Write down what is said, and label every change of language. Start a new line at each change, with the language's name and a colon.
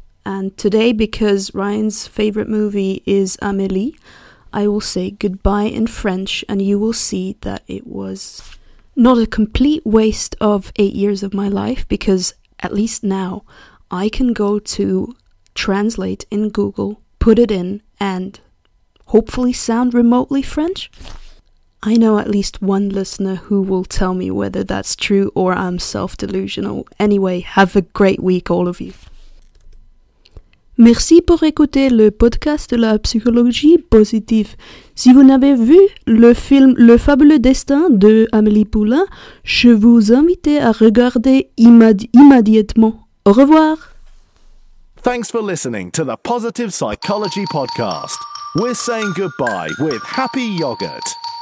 English: And today, because Ryan's favorite movie is Amelie, I will say goodbye in French, and you will see that it was not a complete waste of 8 years of my life, because at least now I can go to translate in Google, put it in, and hopefully sound remotely French. I know at least one listener who will tell me whether that's true or I'm self-delusional. Anyway, have a great week, all of you.
French: Merci pour écouter le podcast de la psychologie positive. Si vous n'avez vu le film Le fabuleux destin de Amélie Poulain, je vous invite à regarder immédiatement. Au revoir.
English: Thanks for listening to the Positive Psychology Podcast. We're saying goodbye with happy yogurt.